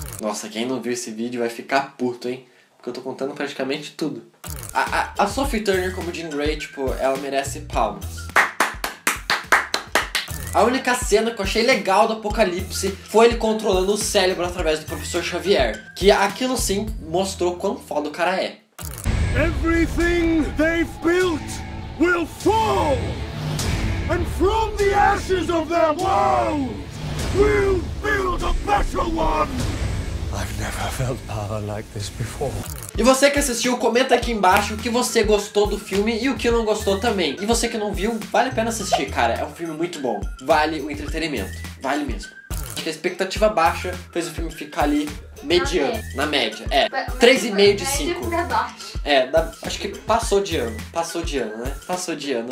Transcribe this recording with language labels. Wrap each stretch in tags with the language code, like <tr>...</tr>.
<pt>Nossa, quem não viu esse vídeo vai ficar puto, hein? Porque eu tô contando praticamente tudo. A Sophie Turner como Jean Grey, tipo, ela merece palmas. A única cena que eu achei legal do Apocalipse foi ele controlando o cérebro através do Professor Xavier. Que aquilo sim mostrou quão foda o cara é.</pt> <en>Everything they've built will fall! And from the ashes of their world, we'll build a better one! I've never felt power like this before.</en> <pt>E você que assistiu, comenta aqui embaixo o que você gostou do filme e o que não gostou também. E você que não viu, vale a pena assistir, cara. É um filme muito bom. Vale o entretenimento. Vale mesmo. Acho que a expectativa baixa fez o filme ficar ali mediano, na média. É, 3,5 de 5. É, acho que passou de ano. Passou de ano, né? Passou de ano.</pt>